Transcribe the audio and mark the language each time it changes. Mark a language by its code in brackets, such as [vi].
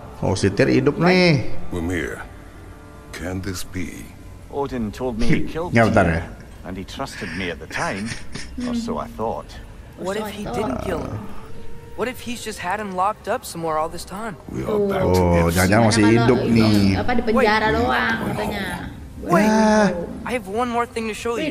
[id] Oh, si Tyr hidup nih. [en] Mimir, can this be? Odin told me he killed Tyr, and he trusted me at the time, or so I thought. What if he didn't kill him? What if he's just had him locked up somewhere all this time? [id] Oh, jangan-jangan masih hidup nih. Apa di penjara doang katanya. [en] Wait, I have one more thing to show you.